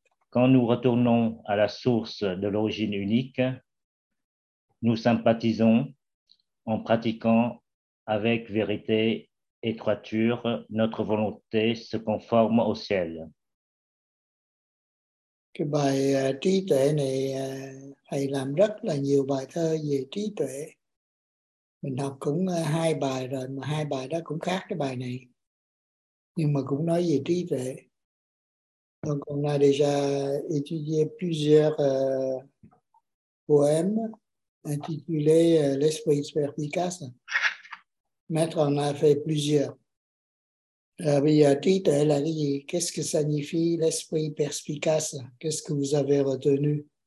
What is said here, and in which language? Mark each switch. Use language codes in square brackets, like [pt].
[fr] Quand nous retournons à la source de l'origine unique, nous sympathisons en pratiquant avec vérité et droiture, notre volonté se conforme au ciel. [vi] Cái bài trí tuệ này, thầy làm rất là nhiều bài thơ về trí tuệ. Mình học cũng hai bài rồi, mà hai bài đó cũng khác cái bài này. Nhưng mà cũng nói về trí tuệ. [fr] Donc on a déjà étudié plusieurs poèmes intitulés L'esprit perspicace. Maintenant, on a fait plusieurs. [vi] Bây giờ, trí tuệ là cái gì? [fr] Qu'est-ce que signifie l'esprit perspicace? Qu'est-ce que vous avez retenu?